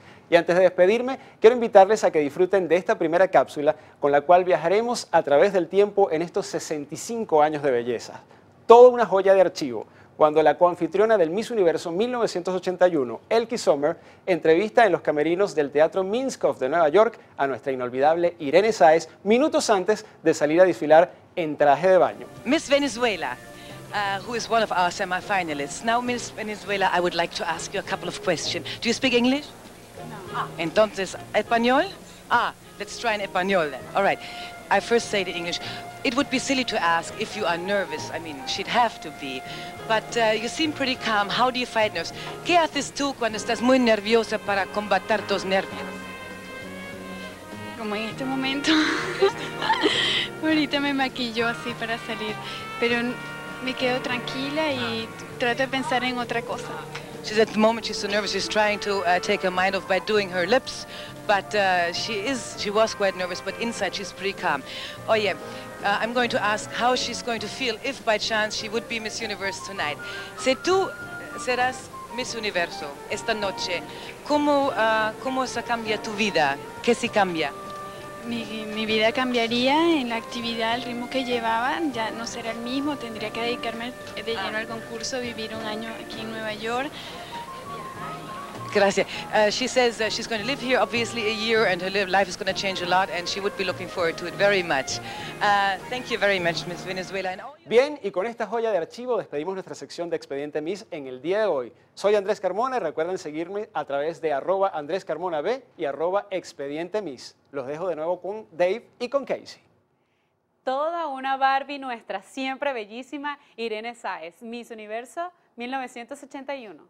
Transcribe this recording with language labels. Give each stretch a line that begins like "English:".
Spanish: Y antes de despedirme, quiero invitarles a que disfruten de esta primera cápsula con la cual viajaremos a través del tiempo en estos 65 años de belleza. Toda una joya de archivo. Cuando la coanfitriona del Miss Universo 1981, Elke Sommer, entrevista en los camerinos del Teatro Minskoff de Nueva York a nuestra inolvidable Irene Sáez, minutos antes de salir a desfilar en traje de baño.
English: Miss Venezuela, who is one of our semifinalists. Now, Miss Venezuela, I would like to ask you a couple of questions. Do you speak English? No. Ah,
Spanish: entonces, ¿español?
English: Ah, let's try in español then. All right. I first say the English. It would be silly to ask if you are nervous. I mean, she'd have to be. But you seem pretty calm. How do you fight nerves?
Spanish: ¿Qué haces tú cuando estás muy nerviosa para combatir tus nervios? Como en este momento. Ahorita me maquillo así para salir. Pero me quedo tranquila y trato de pensar en otra cosa.
English: She's at the moment, she's so nervous, she's trying to take her mind off by doing her lips. But she was quite nervous, but inside she's pretty calm. Oh yeah. I'm going to ask how she's going to feel if by chance she would be Miss Universe tonight.
Spanish: Si tú serás Miss Universo esta noche, ¿cómo se cambia tu vida? ¿Qué se cambia? Mi vida cambiaría en la actividad, el ritmo que llevaba, ya no será el mismo, tendría que dedicarme de lleno al concurso, vivir un año aquí en Nueva York. Gracias.
English: She says she's going to live here, obviously, a year, and her life is going to change a lot, and she would be looking forward to it very much. Thank you very much, Miss Venezuela.
Spanish: Bien, y con esta joya de archivo despedimos nuestra sección de Expediente Miss en el día de hoy. Soy Andrés Carmona y recuerden seguirme a través de @AndrésCarmonaB y @ExpedienteMiss. Los dejo de nuevo con Dave y con Casey. Toda una Barbie, nuestra siempre bellísima Irene Sáez, Miss Universo 1981.